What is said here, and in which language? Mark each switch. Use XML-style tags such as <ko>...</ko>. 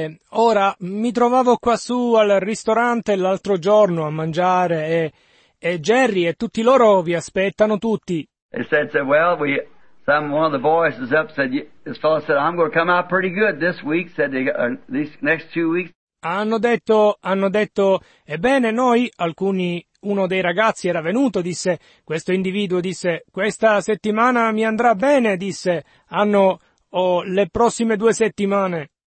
<it>Ora mi trovavo qua su al ristorante l'altro giorno a mangiare e Jerry e tutti loro vi aspettano tutti.</it> <en>He said, one of the boys is up. Said this fellow said, I'm going to come out pretty good this week. Said these next 2 weeks.</en> <it>Hanno detto, ebbene noi, alcuni, uno dei ragazzi era venuto, disse, questo individuo disse, questa settimana mi andrà bene, disse, le prossime 2 settimane.</it>